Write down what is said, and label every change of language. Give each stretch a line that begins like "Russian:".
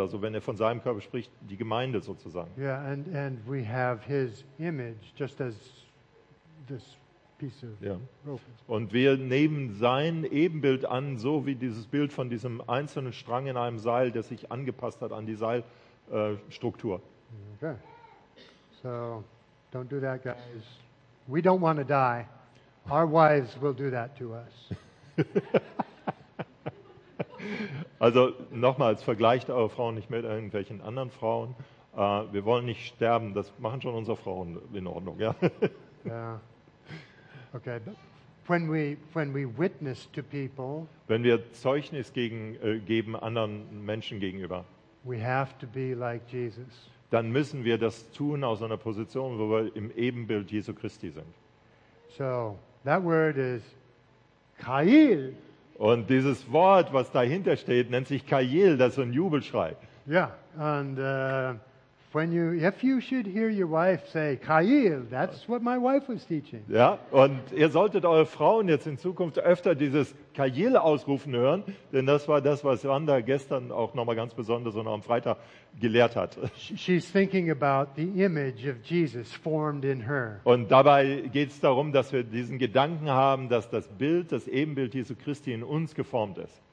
German: Also wenn er von seinem Körper spricht, die Gemeinde sozusagen.
English: Yeah, and we have his image just as this.
German: Ja. Und wir nehmen sein Ebenbild an, so wie dieses Bild von diesem einzelnen Strang in einem Seil, der sich angepasst hat an die Seilstruktur.
English: Okay. So, don't do that, guys. We don't want to die. Our wives will do that to us.
German: Also, nochmals, vergleicht eure Frauen nicht mit irgendwelchen anderen Frauen. Wir wollen nicht sterben, das machen schon unsere Frauen in Ordnung. Ja.
English: Yeah. Okay, but when we witness to people,
German: wenn wir Zeugnis geben anderen Menschen gegenüber,
English: we have to be like Jesus.
German: Dann müssen wir das tun aus einer Position, wo wir im Ebenbild Jesu Christi sind.
English: So, that word is Kail.
German: Und dieses Wort, was dahinter steht, nennt sich Kail, das ist ein Jubelschrei.
English: Yeah, and if you should hear your wife say Kail, that's what my wife was teaching.
German: Ja, und ihr solltet eure Frauen jetzt in Zukunft öfter dieses Kail ausrufen hören, denn das war das, was Wanda gestern auch nochmal ganz besonders und am Freitag gelehrt hat.
English: She's thinking about the image of Jesus formed in her.
German: Und dabei geht es darum, dass wir diesen Gedanken haben, dass das Bild, das Ebenbild Jesu Christi in uns geformt ist.